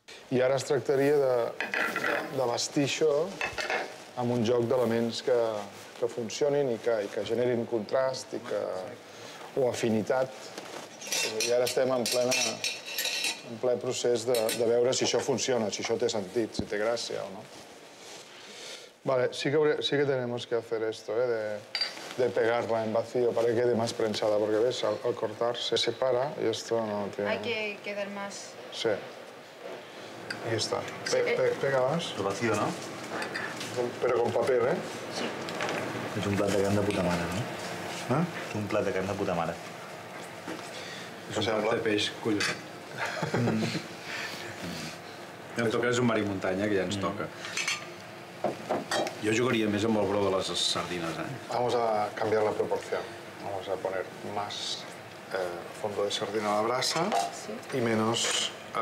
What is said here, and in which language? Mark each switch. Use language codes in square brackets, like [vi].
[ca] I ara es tractaria de bastir això amb un joc d'elements que funcionin i que generin contrast o afinitat. I ara estem en ple procés de veure si això funciona, si això té sentit, si té gràcia o no. [es] Vale, sí que tenemos que hacer esto, de pegarla en vacío para que quede más prensada, porque ves, al cortar se separa y esto no tiene... Hay que quedar más... Sí. Ahí está. Pega más. El vacío, ¿no? Pero con papel, ¿eh? Sí. [ca] Es un plat de carn de puta mare, ¿no? ¿Eh? Es un plat de carn de puta mare. Es un plat de peix, collons. En tot cas, és un mar i muntanya, que ja ens toca. Jo jugaria més amb el bro de les sardines, ¿eh? [es] Vamos a cambiar la proporción. Vamos a poner más fondo de sardina a la brasa y menos...